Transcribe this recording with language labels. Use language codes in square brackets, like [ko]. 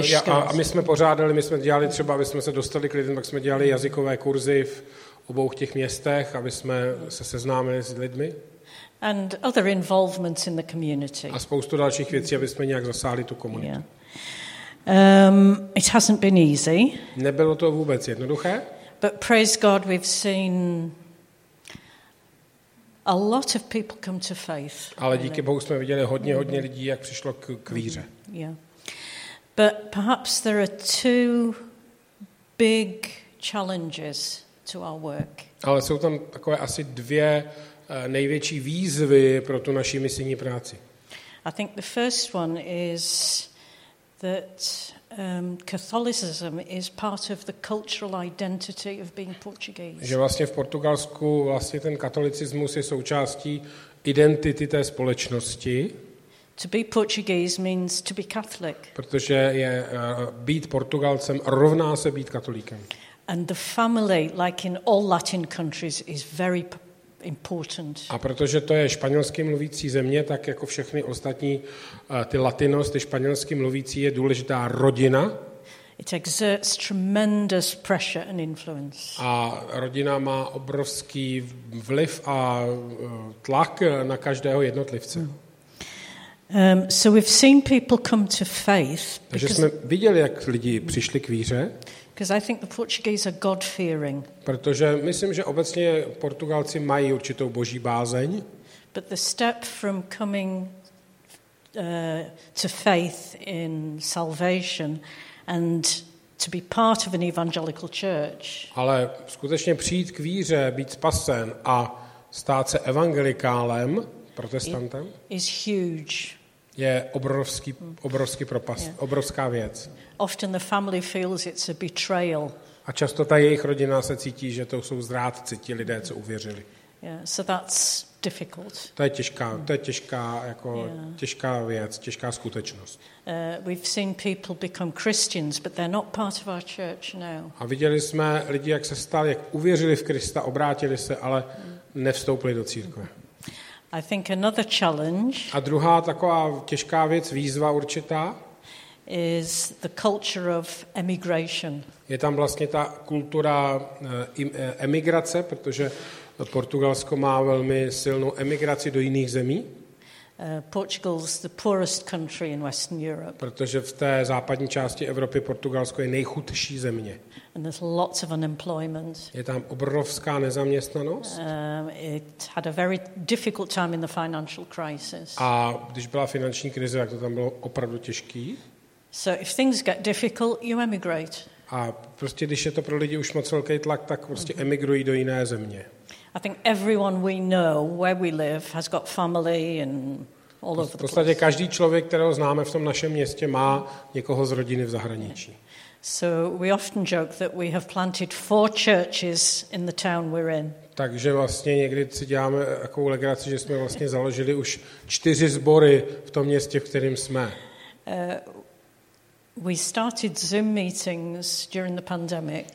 [cs] A my jsme pořádali, my jsme dělali třeba, aby jsme se dostali k lidem, tak jsme dělali jazykové kurzy v obou těch městech, aby jsme se seznámili s lidmi. [en] And other involvements in the community. [cs] A spoustu dalších věcí, aby jsme nějak zasáhli tu komunitu. [en] Yeah. It hasn't been easy. [cs] Nebylo to vůbec jednoduché. [en] But praise God, we've seen a lot of people come to faith. [cs] Ale díky Bohu jsme viděli hodně, hodně lidí, jak přišlo k víře. [en] Yeah. But perhaps there are two big challenges to our work. [cs] Ale jsou tam takové asi dvě největší výzvy pro tu naši misijní práci. [en] I think the first one is that Catholicism is part of the cultural identity of being Portuguese. [cs] Že vlastně v Portugalsku vlastně ten katolicismus je součástí identity té společnosti. [en] To be Portuguese means to be Catholic. [cs] Protože je být Portugalcem rovná se být katolíkem. [en] And the family, like in all Latin countries, is very important. [cs] A protože to je španělsky mluvící země, tak jako všechny ostatní ty Latinos, ty španělsky mluvící, je důležitá rodina. [en] It exerts tremendous pressure and influence. [cs] A rodina má obrovský vliv a tlak na každého jednotlivce. [en] So we've seen people come to faith. [cs] Takže jsme viděli, jak lidi přišli k víře. [en] Because I think the Portuguese are God-fearing. [cs] Protože myslím, že obecně Portugalci mají určitou boží bázeň. [en] But the step from coming to faith in salvation and to be part of an evangelical church. [cs] Ale skutečně přijít k víře, být spasen a stát se evangelikálem, protestantem, [en] is huge. [cs] Je obrovský propast, yeah. Obrovská věc. [en] Often the family feels it's a betrayal. [cs] A často ta jejich rodina se cítí, že to jsou zrádci, ti lidé, co uvěřili. [en] Yeah, so that's difficult. [cs] To je těžká věc, těžká skutečnost. [en] We've seen people become Christians, but they're not part of our church now. [cs] A viděli jsme lidi, jak se stali, jak uvěřili v Krista, obrátili se, ale nevstoupili do církve. [en] I think another challenge. [cs] A druhá taková těžká věc, výzva určitá, [en] is the culture of emigration. [cs] Je tam vlastně ta kultura emigrace, protože Portugalsko má velmi silnou emigraci do jiných zemí. [en] Portugal's the poorest country in Western Europe. [cs] Protože v té západní části Evropy Portugalsko je nejchudší země. [en] And there's lots of unemployment. [cs] Je tam obrovská nezaměstnanost. [en] It had a very difficult time in the financial crisis. [cs] A když byla finanční krize, tak to tam bylo opravdu těžký. [en] So if things get difficult, you emigrate. [cs] A prostě když je to pro lidi už moc velký tlak, tak prostě emigrují do jiné země. [en] I think everyone we know where we live has got family and all over the place. [cs] V podstatě každý člověk, kterého známe v tom našem městě, má někoho z rodiny v zahraničí. [en] So we often joke that we have planted 4 churches in the town we're in. [cs] Takže vlastně někdy si děláme takovou legraci, že jsme vlastně založili už 4 sbory v tom městě, v kterém jsme. [en] We started Zoom meetings during the pandemic.